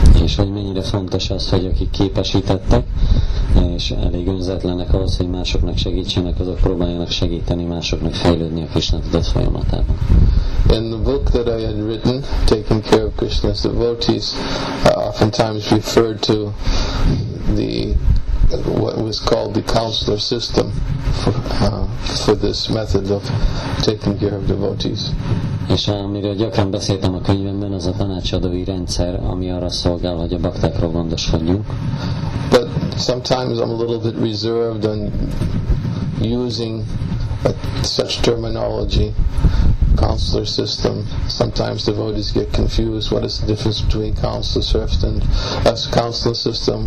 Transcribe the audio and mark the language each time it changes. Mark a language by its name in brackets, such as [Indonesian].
[Hungarian] És hogy mennyire fontos az, hogy akik képesítettek, és elég önzetlenek ahhoz, hogy másoknak segítsenek, azok próbáljanak segíteni másoknak fejlődni a Krishna tudat folyamatában. [English] In the book that I had written, Taking Care of Krishna's Devotees, I oftentimes referred to the what was called the counselor system for this method of taking care of devotees. [Hungarian] És amiről gyakran beszéltem a könyvemben, az a tanácsadói rendszer, ami arra szolgál, hogy a baktákról gondoskodjunk. [English] But sometimes I'm a little bit reserved on using such terminology. Counselor system. Sometimes devotees get confused. What is the difference between counselor serfs and as counselor system?